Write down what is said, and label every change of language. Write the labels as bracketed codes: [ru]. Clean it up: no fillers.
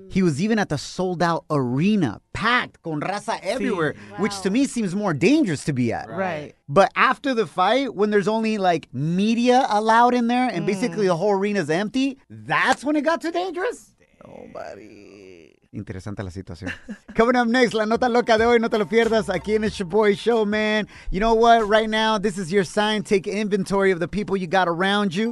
[en] He was even at the sold-out arena, packed, [es] con raza [en] everywhere, which to me seems more dangerous to be at. Right. But after the fight, when there's only, like, media allowed in there, and basically the whole arena is empty, that's when it got too dangerous? Nobody. [es] Interesante la situación. [en] Coming up next, [es] la nota loca de hoy, no te lo pierdas, aquí en el Shaboy Show, man. [en] You know what? Right now, this is your sign. Take inventory of the people you got around you.